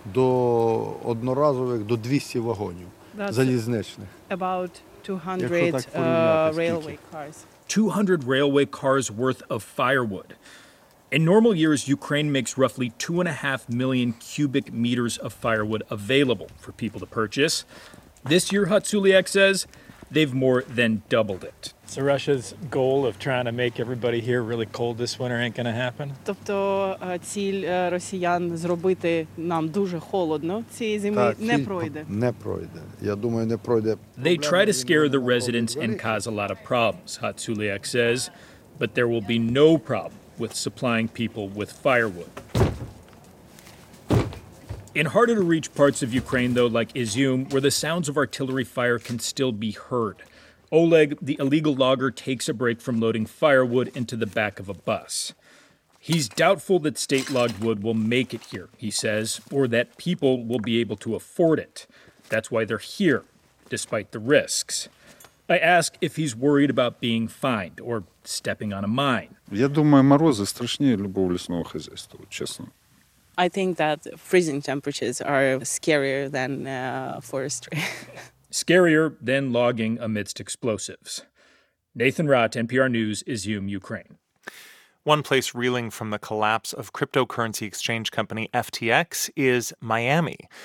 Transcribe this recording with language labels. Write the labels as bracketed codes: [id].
[uk] До одноразових, до 200 вагонів залізничних. [en] About 200 railway cars. 200 railway cars worth of firewood. In normal years, Ukraine makes roughly 2.5 million cubic meters of firewood available for people to purchase. This year, Hatsuliak says, they've more than doubled it. So Russia's goal of trying to make everybody here really cold this winter ain't going to happen? [uk] Тобто ціль росіян зробити нам дуже холодно цієї зими не пройде. Не пройде. Я думаю, не пройде. [en] They try to scare the residents and cause a lot of problems, Hatsuliak says, but there will be no problem with supplying people with firewood. In harder-to-reach parts of Ukraine, though, like Izyum, where the sounds of artillery fire can still be heard, Oleg, the illegal logger, takes a break from loading firewood into the back of a bus. He's doubtful that state-logged wood will make it here, he says, or that people will be able to afford it. That's why they're here, despite the risks. I ask if he's worried about being fined or stepping on a mine. [uk] Я думаю, морози страшніше любого лісного хазяйства, чесно. [en] I think that freezing temperatures are scarier than forestry. Scarier than logging amidst explosives. Nathan Rott, NPR News, Izyum, Ukraine. One place reeling from the collapse of cryptocurrency exchange company FTX is Miami.